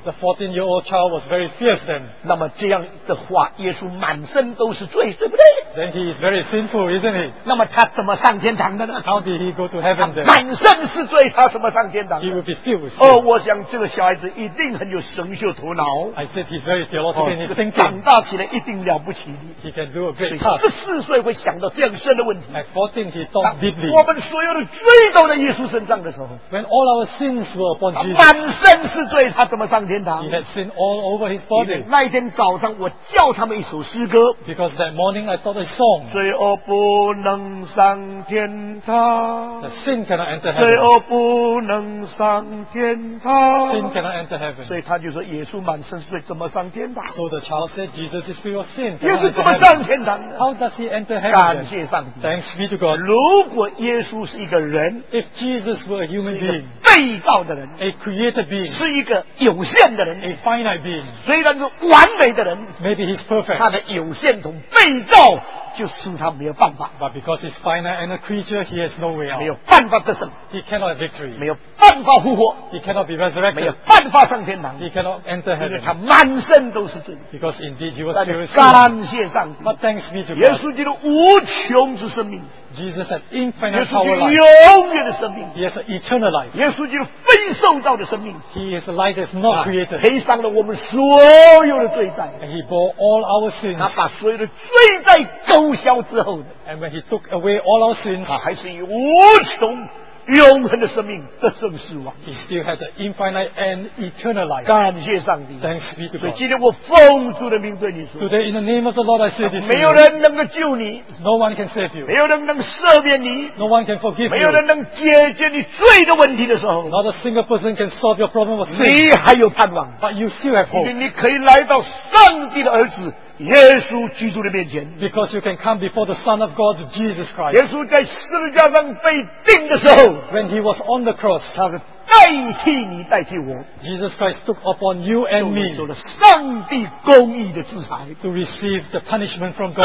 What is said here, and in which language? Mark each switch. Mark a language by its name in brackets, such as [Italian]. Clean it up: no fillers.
[English] The 14-year-old child was very fierce then. [Chinese] 那么这样的话，耶稣满身都是罪，对不对 [English] ？Then he is very sinful, isn't he? [Chinese] 那么他怎么上天堂的呢 [English] ？How did he go to heaven then? [Chinese] 满身是罪，他怎么上天堂 [English] ？He will be filled with sin. [Chinese] 哦，我想这个小孩子。一定很有神秀头脑。 [English] I said he's very theological in his thinking. [Chinese] 长大起来一定了不起的。 [English] He can do a great task. [Chinese] 14岁会想到这样事人的问题。 [English] At 14, he thought deeply. [Chinese] 我们所有的罪都在耶稣身上的时候。 [English] When all our sins were upon Jesus. [Chinese] 满身是罪，他怎么上天堂？ [English] He had sin all over his body. [Chinese] 那一天早上，我叫他们一首诗歌。 [English] Because that morning I taught a song. [Chinese] 罪恶不能上天堂。 [English] The sin cannot enter heaven. [Chinese] 罪恶不能上天堂。 [English] Sin cannot enter heaven. [Chinese] 所以他就说，耶稣满身是罪，怎么上天堂？ [English] So the child said, Jesus is free of sin. [Chinese] 耶稣怎么上天堂？ [English] How does he enter heaven? [Chinese] 感谢上帝。 [English] Thanks be to God. [Chinese] 如果耶稣是一个人， [English] If Jesus were a human being, [Chinese] 被造的人， [English] A created being, [Chinese] 是一个有限的人， [English] A finite being, [Chinese] 虽然是完美的人， [English] Maybe he's perfect. [Chinese] 他的有限同被造就使他没有办法。 [English] But because he's finite and a creature, he has no way out. [Chinese] 没有办法得胜。 [English] He cannot have victory. [Chinese] 没有办法复活。 [English] He cannot be resurrected. [Chinese] 没有办法上天堂。 [English] He cannot enter heaven. [Chinese] 因为他满身都是罪。 [English] Because indeed he was serious. [Chinese] 感谢上帝。 [English] But thanks be to God. [Chinese] 耶稣基督无穷之生命。 [English] Jesus had infinite power life. [Chinese] 耶稣基督永远的生命。 [English] He has an eternal life. [Chinese] 耶稣基督非受造的生命。 [English] He is a life that's not created. [Chinese] 赔上了我们所有的罪债。 [English] And he bore all our sins. [Chinese] 他把所有的罪债勾销之后的。 [English] And when he took away all our sins. [Chinese] 他还是以无穷永恒的生命得胜死亡。 [English] He still had an infinite and eternal life. [Chinese] 感谢上帝。 [English] Thanks be to God. [Chinese] 所以今天我奉主的名对你说。 [English] Today in the name of the Lord I say this. [Chinese] 没有人能够救你。 [English] No one can save you. [Chinese] 没有人能赦免你。 [English] No one can forgive you. [Chinese] 没有人能解决你罪的问题的时候。 [English] Not a single person can solve your problem with [Chinese] sin. 你还有盼望。 [English] But you still have hope. [Chinese] 因为你可以来到上帝的儿子。耶稣基督的面前 [English] because you can come before the Son of God Jesus Christ [Chinese] 耶稣在十字架上被钉的时候 [English] when he was on the cross [Chinese] 他是代替你代替我 [English] Jesus Christ took upon you and me [Chinese] 受了上帝公义的制裁 [English] to receive the punishment from God